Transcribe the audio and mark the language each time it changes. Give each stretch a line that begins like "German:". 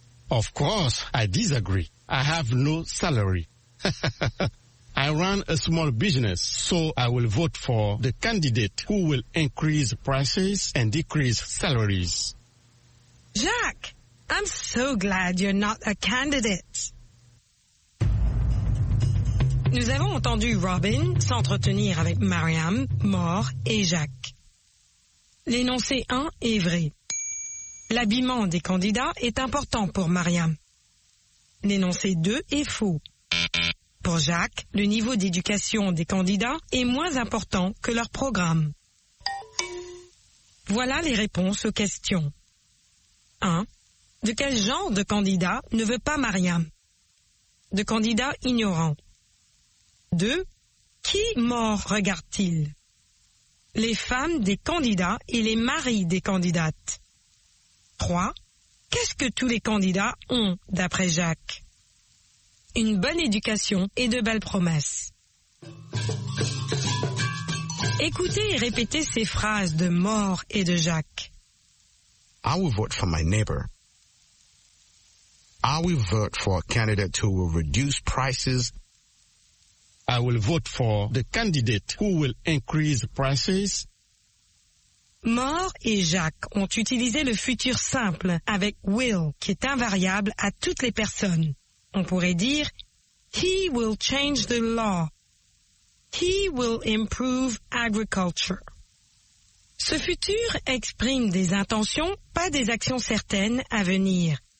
English: Of course, I disagree. I have no salary. I run a small business, so I will vote for the candidate who will increase prices and decrease salaries. Jacques, I'm so glad you're not a candidate.
French: Nous avons entendu Robin s'entretenir avec Mariam, Maure et Jacques. L'énoncé 1 est vrai. L'habillement des candidats est important pour Mariam. L'énoncé 2 est faux. Pour Jacques, le niveau d'éducation des candidats est moins important que leur programme. Voilà les réponses aux questions. 1. De quel genre de candidat ne veut pas Mariam? De candidat ignorant. 2. Qui mort regarde-t-il? Les femmes des candidats et les maris des candidates. 3. Qu'est-ce que tous les candidats ont, d'après Jacques? Une bonne éducation et de belles promesses. Écoutez et répétez ces phrases de Maure et de Jacques.
English: I will vote for my neighbor. I will vote for a candidate who will reduce prices. I will vote for the candidate who will increase prices.
French: Maure et Jacques ont utilisé le futur simple avec will, qui est invariable à toutes les personnes. On pourrait dire
English: « He will change the law. He will improve agriculture.
French: » Ce futur exprime des intentions, pas des actions certaines à venir.